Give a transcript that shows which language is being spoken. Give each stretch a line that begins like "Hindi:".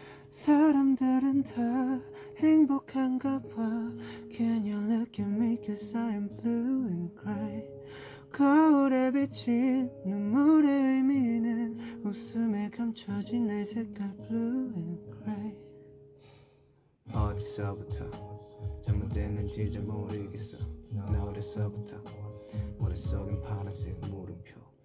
Korean: 사람들은 다 행복한가 봐.
English: Can you look at me cause I'm blue and gray.
Korean: 거울에 비친 눈물의 의미는 웃음에 감춰진 내 색깔
English: blue and gray.
Korean: 어디서부터 잘못됐는지 잘 모르겠어. 나 어렸어부터 머릿속엔 파란색 물음표.